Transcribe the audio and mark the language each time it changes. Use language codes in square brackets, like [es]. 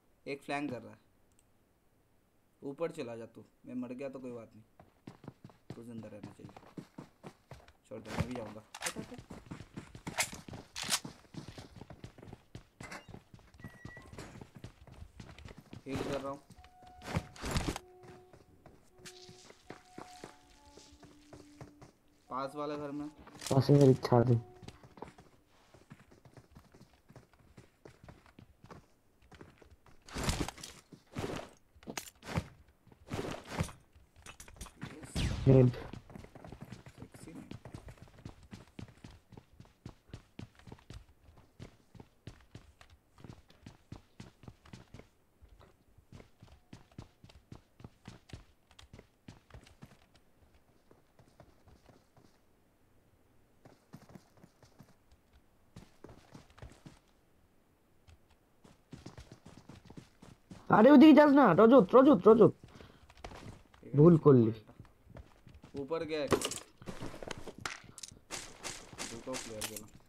[hi] एक फ्लैंक कर रहा है ऊपर चला जा तू मैं मर गया तो कोई बात नहीं तू जिंदा रहना चाहिए छोड़ दे मैं भी जाऊंगा हील कर रहा हूँ पास वाले घर में पास ही मेरी इच्छा थी [bn] আরে ওদিকে যাস না রজত রজত রজত ভুল করলি [hi] ऊपर गया एक दूसरा प्लेयर गया ना